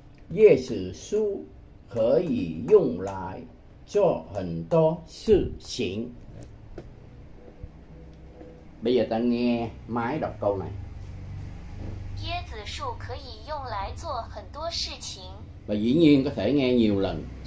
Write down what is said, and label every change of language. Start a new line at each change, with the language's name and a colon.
Chinese: 椰子树可以用来做很多事情。
Vietnamese: Bây giờ ta nghe máy đọc câu này.
Chinese: 椰子树可以用来做很多事情。
Vietnamese: và dĩ nhiên có thể nghe nhiều lần.